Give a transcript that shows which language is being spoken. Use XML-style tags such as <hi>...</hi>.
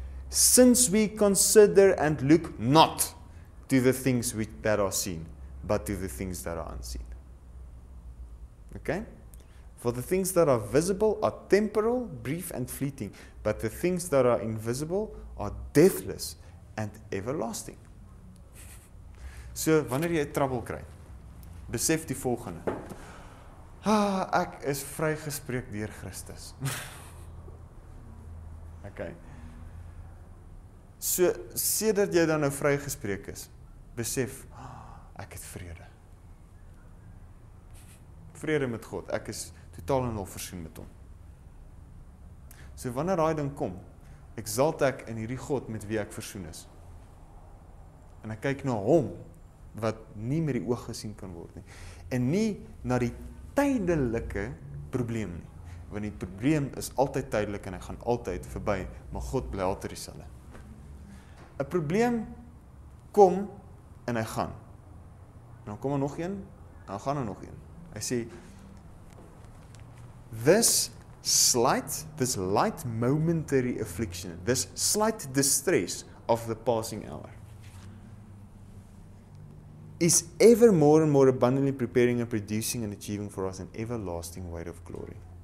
<en>Since we consider and look not to the things which that are seen, but to the things that are unseen. Okay? For the things that are visible are temporal, brief and fleeting, but the things that are invisible are deathless and everlasting.</en> <af>So, wanneer jy trouble kry, besef die volgende. Ah, ek is vrygespreek deur Christus. Okay. So, sedert jy dan nou vrygespreek is, besef, ek het vrede. Vrede met God, ek is totaal en al versoen met hom. So, wanneer daai ding kom, exalt ek in hierdie God met wie ek versoen is. En ek kyk na hom, wat nie met die oog gesien kan word nie. En nie na die tydelike probleem nie. Want die probleem is altyd tydelik en hy gaan altyd verby, maar God bly altyd dieselfde. 'N Probleem kom en hy gaan. En dan kom er nog een, en dan gaan er nog een. Hy sê,</af> <en>this light momentary affliction, this slight distress of the passing hour, is ever more and more abundantly preparing and producing and achieving for us an everlasting weight of glory.</en>